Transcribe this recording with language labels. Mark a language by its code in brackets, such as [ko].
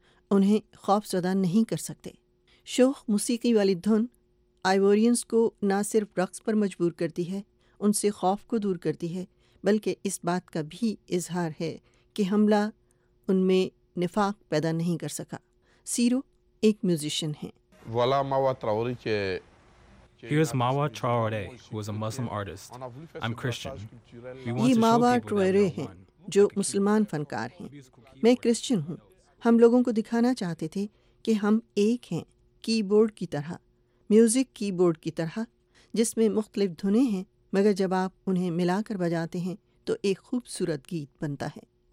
[ur] انہیں خوف زدہ نہیں کر سکتے۔ شوخ موسیقی والی دھن آئیورینز کو نہ صرف رقص پر مجبور کرتی ہے، ان سے خوف کو دور کرتی ہے، بلکہ اس بات کا بھی اظہار ہے کہ حملہ ان میں نفاق پیدا نہیں کر سکا۔ سیرو ایک میوزیشن ہیں. [en] Here's Mawa Traore, who is a Muslim artist. I'm Christian. [ur] یہ ماوا ٹراورے ہیں جو مسلمان فنکار ہیں. میں کرسچن ہوں. ہم لوگوں کو دکھانا چاہتے تھے کہ ہم ایک ہیں, کی بورڈ کی طرح, میوزک کی بورڈ کی طرح, جس میں مختلف دھنیں ہیں مگر جب آپ انہیں ملا کر بجاتے ہیں تو ایک خوبصورت گیت بنتا ہے.